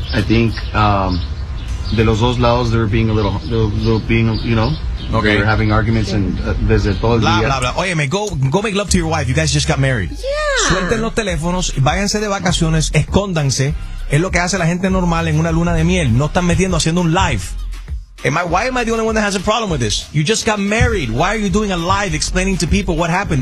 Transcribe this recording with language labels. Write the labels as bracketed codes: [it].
[en] I think [es] de los dos lados, [en] they're being, you know, okay. they're having arguments and [es] desde todo el día. Óyeme, [en] go make love to your wife, you guys just got married. Yeah. [es] Suelten los teléfonos, váyanse de vacaciones, escóndanse. Es lo que hace la gente normal en una luna de miel. No están metiendo haciendo un live. [en] Why am I the only one that has a problem with this? You just got married. Why are you doing a live explaining to people what happened?